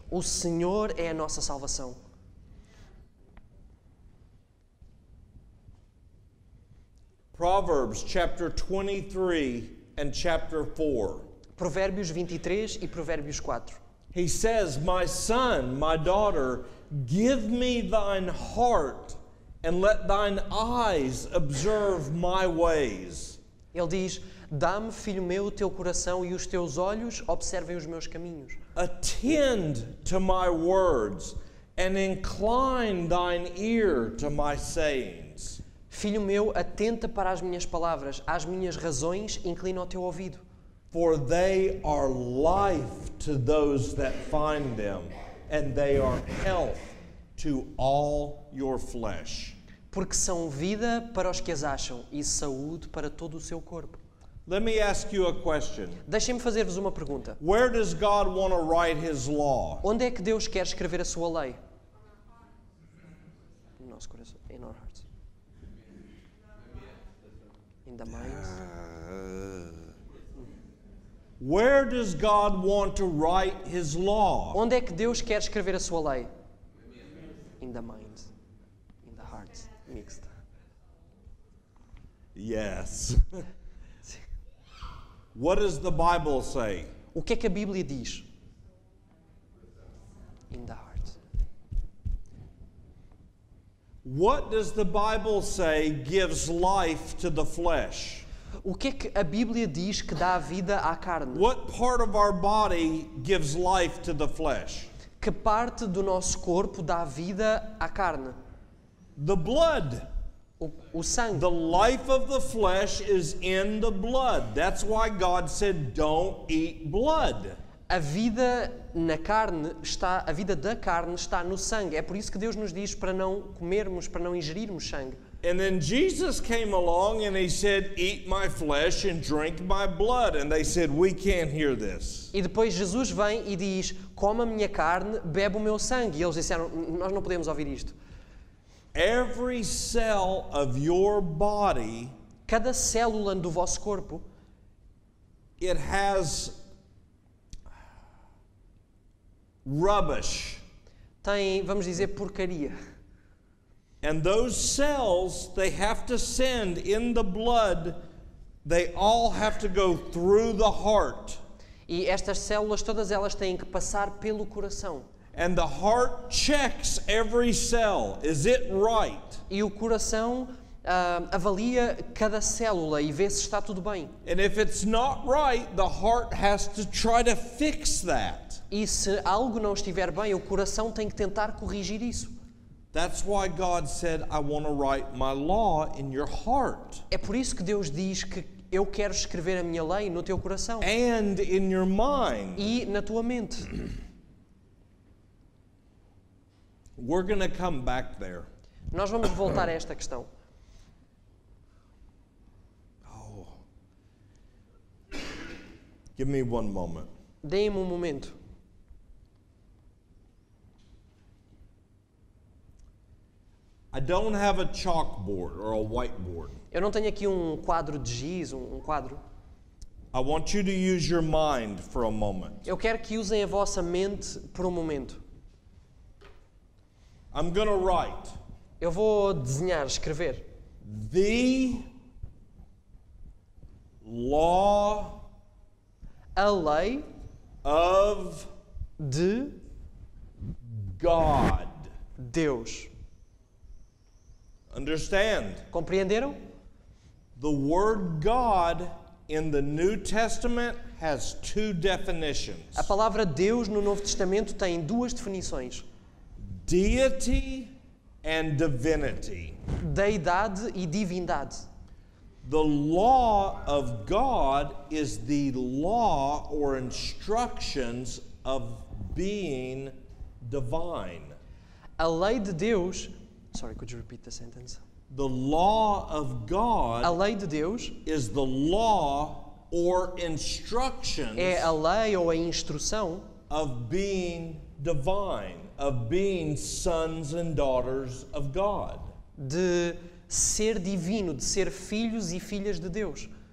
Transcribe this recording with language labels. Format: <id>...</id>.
<pt>O Senhor é a nossa salvação.</pt> <en>Proverbs chapter 23 and chapter 4.</en> <pt>Provérbios 23 e Provérbios 4.</pt> <en>He says, "My son, my daughter, give me thine heart." And let thine eyes observe my ways.</en> <pt>Ele diz, dá-me, filho meu, o teu coração e os teus olhos observem os meus caminhos.</pt> <en>Attend to my words and incline thine ear to my sayings.</en> <pt>Filho meu, atenta para as minhas palavras, às minhas razões, inclina o teu ouvido.</pt> <en>For they are life to those that find them, and they are health to all your flesh.</en> <pt>Porque são vida para os que as acham e saúde para todo o seu corpo.</pt> <en>Let me ask you a question.</en> <pt>Deixem-me fazer-vos uma pergunta.</pt> <en>Where does God want to write his law?</en> <pt>Onde é que Deus quer escrever a sua lei? No nosso coração.</pt> <en>In our hearts. In the minds. Where does God want to write his law?</en> <pt>Onde é que Deus quer escrever a sua lei?</pt> <en>In the mind, in the heart, mixed. Yes. What does the Bible say?</en> <pt>O que é que a Bíblia diz?</pt> <en>In the heart. What does the Bible say gives life to the flesh?</en> <pt>O que é que a Bíblia diz que dá vida à carne?</pt> <en>What part of our body gives life to the flesh?</en> <pt>Que parte do nosso corpo dá vida à carne?</pt> <en>The blood.</en> <pt>O sangue.</pt> <en>The life of the flesh is in the blood. That's why God said, "Don't eat blood."</en> <pt>A vida na carne está, a vida da carne está no sangue. É por isso que Deus nos diz para não comermos, para não ingerirmos sangue.</pt> <en>And then Jesus came along and he said, "Eat my flesh and drink my blood." And they said, "We can't hear this."</en> <pt>E depois Jesus vem e diz, "Coma a minha carne, bebe o meu sangue." E eles disseram, "Nós não podemos ouvir isto."</pt> <en>Every cell of your body,</en> <pt>cada célula do vosso corpo,</pt> <en>it has rubbish.</en> <pt>Tem, vamos dizer, porcaria.</pt> <en>And those cells, they have to send in the blood, they all have to go through the heart.</en> <pt>E estas células, todas elas têm que passar pelo coração.</pt> <en>And the heart checks every cell. Is it right?</en> <pt>E o coração avalia cada célula e vê se está tudo bem.</pt> <en>And if it's not right, the heart has to try to fix that.</en> <pt>E se algo não estiver bem, o coração tem que tentar corrigir isso.</pt> <en>That's why God said, "I want to write my law in your heart."</en> <pt>É por isso que Deus diz que eu quero escrever a minha lei no teu coração.</pt> <en>And in your mind.</en> <pt>E na tua mente.</pt> <en>We're going to come back there.</en> <pt>Nós vamos voltar a esta questão. Oh.</pt> <en>Give me one moment.</en> <pt>Dê-me um momento.</pt> <en>I don't have a chalkboard or a whiteboard.</en> <pt>Eu não tenho aqui um quadro de giz, um quadro.</pt> <en>I want you to use your mind for a moment.</en> <pt>Eu quero que usem a vossa mente por um momento.</pt> <en>I'm going to write.</en> <pt>Eu vou desenhar, escrever.</pt> <en>The law.</en> <pt>A lei.</pt> <en>Of.</en> <pt>De.</pt> <en>God.</en> <pt>Deus.</pt> <en>Understand?</en> <pt>Compreenderam?</pt> <en>The word God in the New Testament has two definitions.</en> <pt>A palavra Deus no Novo Testamento tem duas definições.</pt> <en>Deity and divinity.</en> <pt>Deidade e divindade.</pt> <en>The law of God is the law or instructions of being divine.</en> <pt>A lei de Deus.</pt> <en>Sorry, could you repeat the sentence? The law of God,</en> <pt>a lei de Deus,</pt> <en>is the law or instructions,</en> <pt>é a lei ou a instrução,</pt> <en>of being divine, of being sons and daughters of God.</en> <pt>De ser divino, de ser filhos e filhas de Deus.</pt>